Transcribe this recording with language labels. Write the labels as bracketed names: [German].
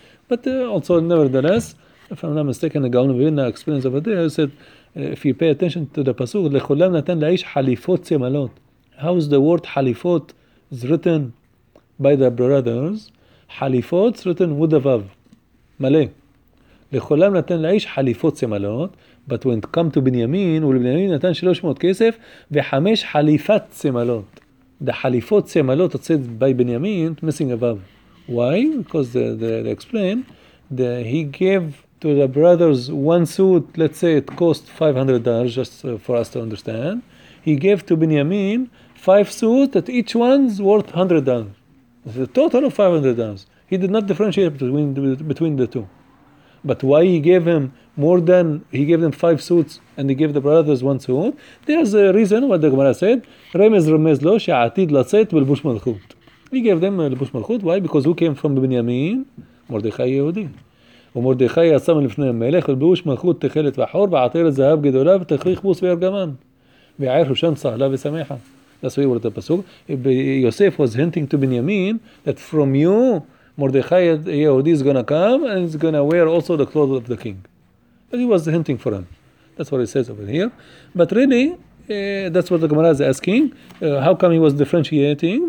[English] But also, nevertheless, if I'm not mistaken, the Gaon of Vilna explains over there, he said, if you pay attention to the Pasuk, [Hebrew] لَخُلَّمْ نَتَنْ لَعِيشْ حَلِفُوت سِمَلُوت. [English] How is the word halifot is written by the brothers? Halifot is written with the vav, male. [Hebrew] לכולם נתן לאיש חליפות סמלות, [English] but when it come to [Hebrew] בנימין, ולבנימין נתן 300 כסף, וחמש חליפת סמלות. The חליפות סמלות, [English] it said by [Hebrew] בנימין, [English] missing above. Why? Because they explain that he gave to the brothers one suit, let's say it cost $500, just for us to understand. He gave to Benjamin five suits that each one's worth $100. It's a total of $500. He did not differentiate between the two. But why he gave him more than, he gave them five suits and he gave the brothers one suit? There's a reason what the Gemara said. [Hebrew] Remez remez lo she'atid latzet belbush malchut. [English] He gave them belbush malchut. Why? Because who came from Benjamin? Mordechai Yehudi. [Hebrew] ומרדכי יצא לפני המלך ולבוש מלכות תכלת וחור ועטר זהב גדולה ותכריך בוס וארגמן ויעיר שושן צהלה ושמחה. [English] That's why we wrote the pasuk. Yosef was hinting to Benjamin that from you Mordechai Yehudi is going to come and he's going to wear also the clothes of the king. But he was hinting for him. That's what it says over here. But really, that's what the Gemara is asking. How come he was differentiating?